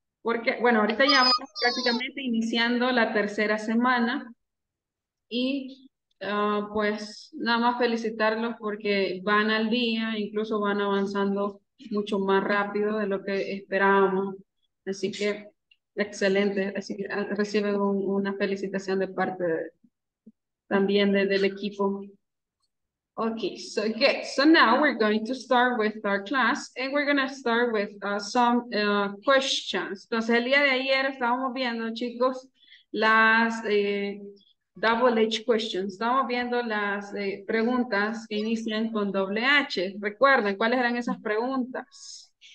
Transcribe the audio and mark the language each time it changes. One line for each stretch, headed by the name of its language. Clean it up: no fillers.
Spanish: Porque, bueno, ahorita ya vamos prácticamente iniciando la tercera semana y pues nada más felicitarlos porque van al día, incluso van avanzando mucho más rápido de lo que esperábamos. Así que, excelente. Así que reciben una felicitación de parte de, también de, del equipo.
English: Okay, so good. So now we're going to start with our class and we're going to start with some questions.
Spanish: Entonces, el día de ayer estábamos viendo, chicos, las double H questions. Estábamos viendo las preguntas que inician con doble H. Recuerden, ¿cuáles eran esas preguntas?